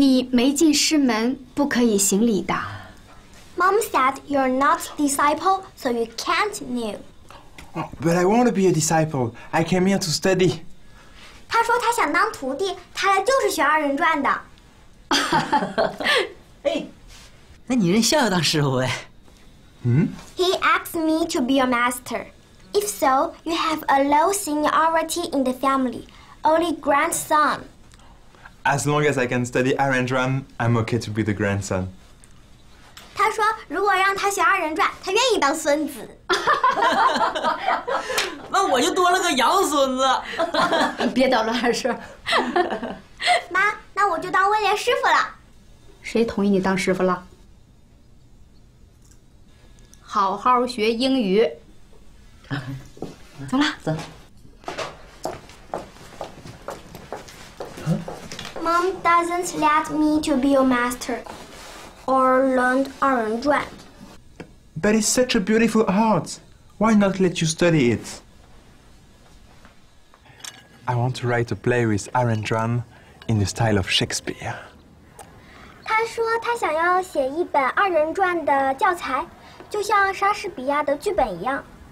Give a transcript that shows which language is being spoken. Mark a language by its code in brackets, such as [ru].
[zh] 没进师门不可以行礼的。 [en] Mom said you're not disciple, so you can't kneel. But I want to be a disciple. I came here to study. [zh] 他说他想当徒弟，他来就是学二人转的。哎，那你认笑笑当师傅呗？ [en] 嗯。He asked me to be a master. If so, you have a low seniority in the family, only grandson. As long as I can study Arendran, I'm okay to be the grandson. [zh] 他说，如果让他学二人转，他愿意当孙子。那我就多了个洋孙子。别捣乱，二叔。妈，那我就当威廉师傅了。谁同意你当师傅了？好好学英语。走了，走。 [en] Mom doesn't let me to be a master or learn 二人转. But it's such a beautiful art. Why not let you study it? I want to write a play with 二人转 in the style of Shakespeare. [zh] 他说他想要写一本二人转的教材，就像莎士比亚的剧本一样。